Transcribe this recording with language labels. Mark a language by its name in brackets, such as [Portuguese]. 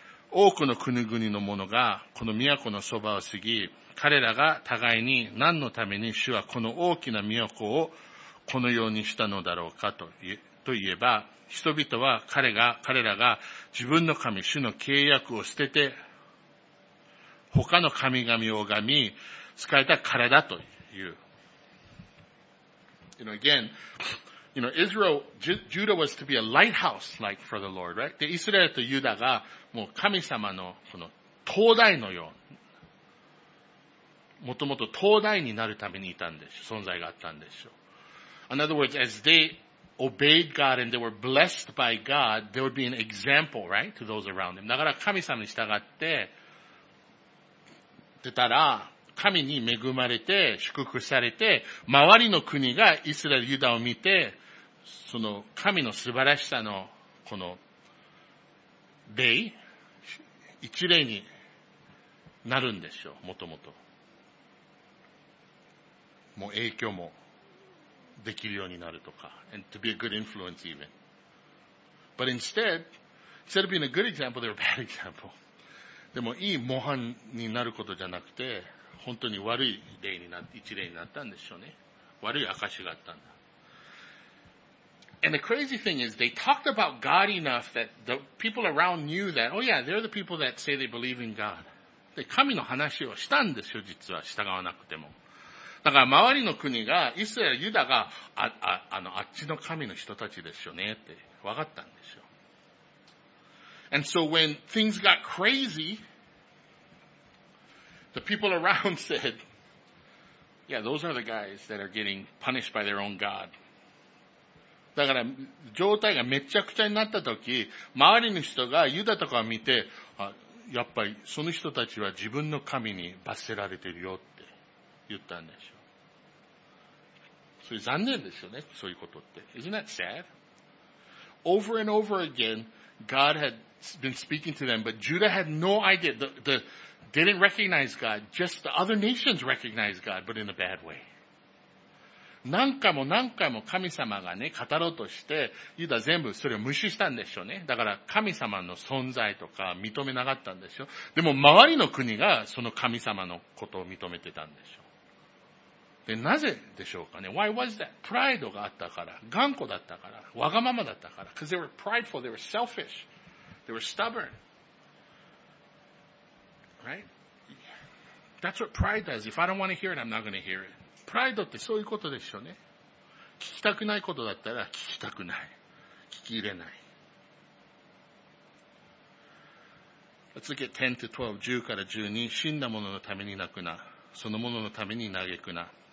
[Japanese] 多くの国々の者が、この都のそばを過ぎ、彼らが互いに何のために主はこの大きな都をこのようにしたのだろうかと言う。といえば、人々は彼らが自分の神、主の契約を捨てて、他の神々を拝み、仕えた彼だという。 [English] You know, again, you know, Israel, Judah was to be a lighthouse, like, for the Lord, right? [Japanese] で、イスラエルとユダが、もう神様の、この、灯台のよう、もともと灯台になるためにいたんです、存在があったんでしょう。 [English] In other words, as theobeyed God and they were blessed by God, there would be an example, right, to those around them. [Japanese] だから神様に従って出たら、神に恵まれて、祝福されて、周りの国がイスラエル、ユダを見て、その神の素晴らしさの、この、例、一例になるんでしょう、もともと。もう影響も。できるようになるとか、 [English] and to be a good influence even. But instead of being a good example, they're a bad example. [Japanese] でもいい模範になることじゃなくて、本当に悪い例にな一例になったんでしょうね。悪い証があったんだ。 [English] And the crazy thing is, they talked about God enough that the people around knew that. Oh yeah, they're the people that say they believe in God. [Japanese] で、神の話をしたんですよ。実は従わなくても。だから周りの国が、イスラエル、ユダが、あっちの神の人たちでしょうねって分かったんでしょう。 [English] And so when things got crazy, the people around said, yeah, those are the guys that are getting punished by their own God. [Japanese] だから状態がめちゃくちゃになった時、周りの人がユダとか見て、あ、やっぱりその人たちは自分の神に罰せられてるよって言ったんでしょう。そういう残念ですよね、そういうことって。 [English] Isn't that sad? Over and over again, God had been speaking to them, but Judah had no idea. They didn't recognize God, just the other nations recognized God, but in a bad way. [Japanese] 何回も何回も神様がね、語ろうとして、ユダ全部それを無視したんでしょうね。だから神様の存在とか認めなかったんでしょう。でも周りの国がその神様のことを認めてたんでしょう。で、なぜでしょうかね。 [English] Why was that? [Japanese] プライドがあったから、頑固だったから、わがままだったから。 [English] Because they were prideful, they were selfish, they were stubborn. Right? That's what pride does. If I don't want to hear it, I'm not going to hear it. [Japanese] プライドってそういうことでしょうね。聞きたくないことだったら聞きたくない。聞き入れない。 [English] Let's look at 10 to 12, [Japanese] 10から12。死んだ者のために泣くな。その者のために嘆くな。